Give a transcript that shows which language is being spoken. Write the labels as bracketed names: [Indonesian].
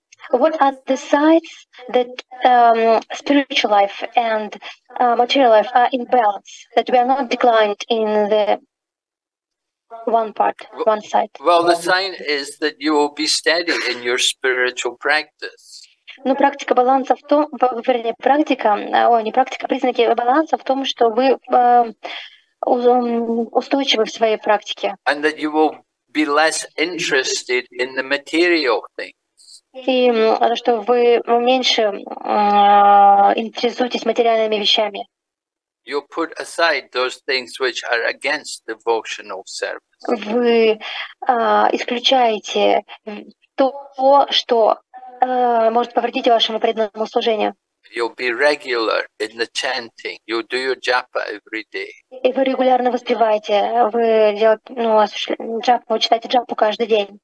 [English] What are the signs that spiritual life and material life are in balance, that we are not declined in the one part, one side? Well, the sign is that you will be steady in your spiritual practice. [Russian] Ну, практика баланса в том, вернее, практика, ой, не практика, признаки баланса в том, что вы устойчивы в своей практике. [English] And that you will be less interested in the material things. [Russian] И то, что вы меньше интересуетесь материальными вещами. [English] You put aside those things which are against devotional service. [Russian] Вы исключаете то, что может повредить вашему преданному служению. [English] You'll be regular in the chanting. You do your japa every day. [Russian] И вы регулярно воспеваете. Вы делаете, ну, джапу, читаете джапу каждый день.